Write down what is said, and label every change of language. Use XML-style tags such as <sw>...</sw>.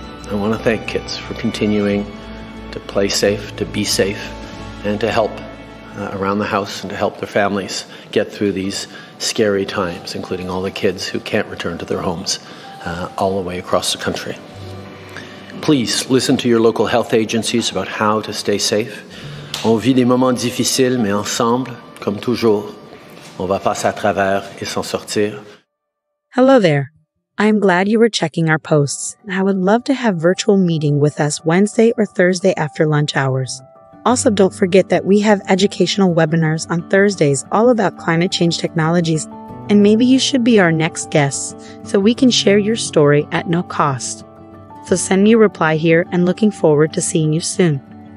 <en>I want to thank kids for continuing to play safe, to be safe, and to help around the house and to help their families get through these scary times, including all the kids who can't return to their homes all the way across the country. Please listen to your local health agencies about how to stay safe.</en> <fr>On vit des moments difficiles, mais ensemble, comme toujours, on va passer à travers et s'en sortir.</fr> <en>Hello there. I'm glad you were checking our posts. I would love to have virtual meeting with us Wednesday or Thursday after lunch hours. Also, don't forget that we have educational webinars on Thursdays all about climate change technologies, and maybe you should be our next guest so we can share your story at no cost. So send me a reply here, and looking forward to seeing you soon.</en>